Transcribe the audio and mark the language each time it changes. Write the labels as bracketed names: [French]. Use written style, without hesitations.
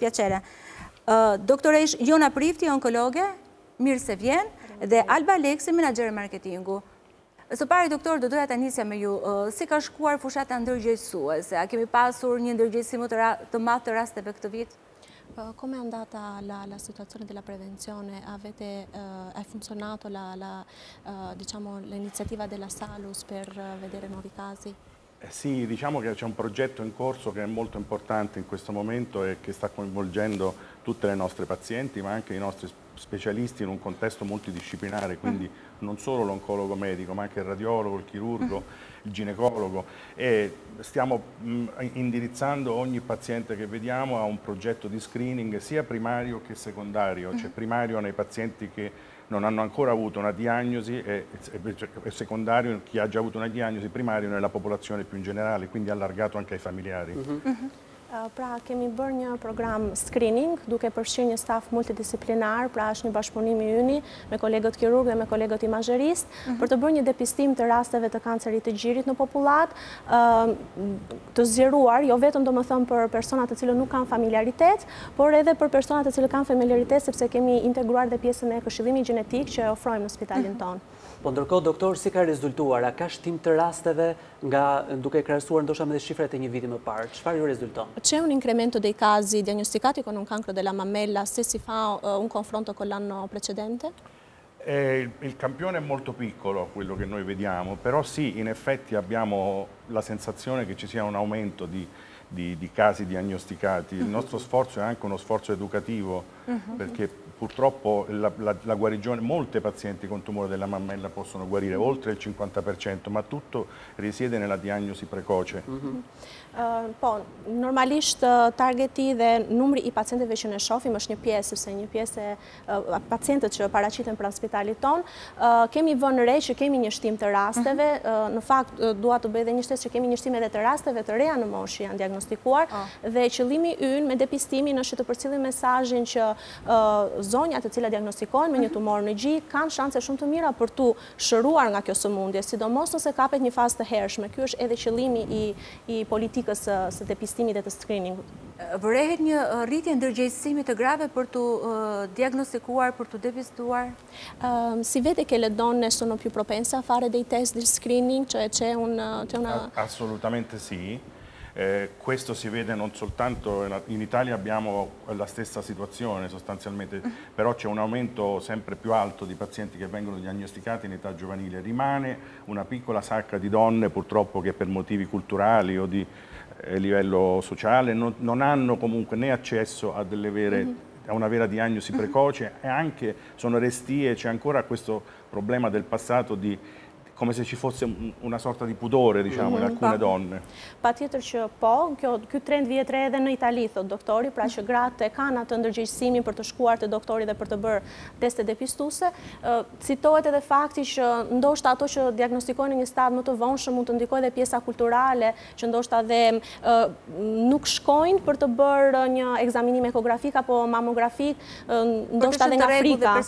[Italian] Piacere. [Albanian] Doktoresh Jona Prifti, onkologe, mirë se vjen, dhe Alba Leksi, menaxher marketingu. Së pari, doktor, do doja ta nisja me ju, si ka shkuar fushata ndërgjegjësuese? A kemi pasur një ndërgjegjësi më të madh të rasteve këtë vit? [Italian] Come è andata la situazione della prevenzione? È funzionato l'iniziativa della Salus per vedere nuovi casi? Sì, diciamo che c'è un progetto in corso che è molto importante in questo momento e che sta coinvolgendo tutte le nostre pazienti, ma anche i nostri specialisti in un contesto multidisciplinare, quindi non solo l'oncologo medico, ma anche il radiologo, il chirurgo, il ginecologo. E stiamo indirizzando ogni paziente che vediamo a un progetto di screening sia primario che secondario, cioè primario nei pazienti che non hanno ancora avuto una diagnosi e secondario chi ha già avuto una diagnosi primaria nella popolazione più in generale, quindi allargato anche ai familiari. [Albanian] Pra kemi bërë një program screening duke përfshirë një staf multidisciplinar, pra është një bashkëpunim i yni me kolegët kirurg dhe me kolegët imazherist për të bërë një depistim të rasteve të kancerit të gjirit në popullat, të zgjeruar, jo vetëm domethënë për personat të cilët nuk kanë familiaritet, por edhe për personat të cilët kanë familiaritet sepse kemi integruar dhe pjesën e këshillimit gjenetik që ofrojmë në spitalin ton. Po ndërkohë doktor, si ka rezultuar? A ka shtim të rasteve nga duke krahasuar ndoshta me shifrat e një viti më parë? Çfarë ju rezulton? [Italian] C'è un incremento dei casi diagnosticati con un cancro della mammella se si fa un confronto con l'anno precedente? Il campione è molto piccolo, quello che noi vediamo, però sì, in effetti abbiamo la sensazione che ci sia un aumento di casi diagnosticati. Il nostro sforzo è anche uno sforzo educativo, perché purtroppo la guarigione, molte pazienti con tumore della mammella possono guarire oltre il 50%, ma tutto risiede nella diagnosi precoce. [Albanian] Po, normalisht targeti dhe numri i pacienteve që ne shohim është një pjesë, sepse një pjesë e pacientët që paraqiten pranë spitalit ton, kemi vënë re që kemi një shtim të rasteve, në fakt dua të bëj edhe një shtesë që kemi një shtim edhe të rasteve të reja në moshë janë diagnostikuar dhe qëllimi ynë me depistimin është të përcjellim mesazhin që zonjat të cilat diagnostikohen me një tumor në gjik kanë shanse shumë të mira për tu shëruar nga kjo sëmundje, sidomos nëse kapet një fazë të hershme. Ky është edhe qëllimi i politikës së depistimit dhe të screeningut. Vërehet një rritje ndërgjegjësimi të grave për të diagnostikuar, për të depistuar? [Italian] Si vede che le donne sono più propense a fare dei test di screening, cioè c'è un Assolutamente sì. Questo si vede non soltanto in Italia, abbiamo la stessa situazione sostanzialmente, però c'è un aumento sempre più alto di pazienti che vengono diagnosticati in età giovanile. Rimane una piccola sacca di donne purtroppo che per motivi culturali o di livello sociale non hanno comunque né accesso a delle vere a una vera diagnosi precoce e anche sono restie, c'è ancora questo problema del passato di come se ci fosse una sorta di pudore, diciamo, in alcune donne. [Albanian] Patjetër që po, ky trend vjet re edhe në Itali, thot doktori, pra që gratë kanë atë ndërgjegjësimin për të shkuar te doktori dhe për të bërë teste depistuese. Citohet edhe fakti që ndoshta ato që diagnostikohen në një stadium më të vonshëm mund të ndikojë edhe pjesa kulturale, që ndoshta dhe nuk shkojnë për të bërë një ekzaminim ekografik apo mamografik, ndoshta edhe nga frika.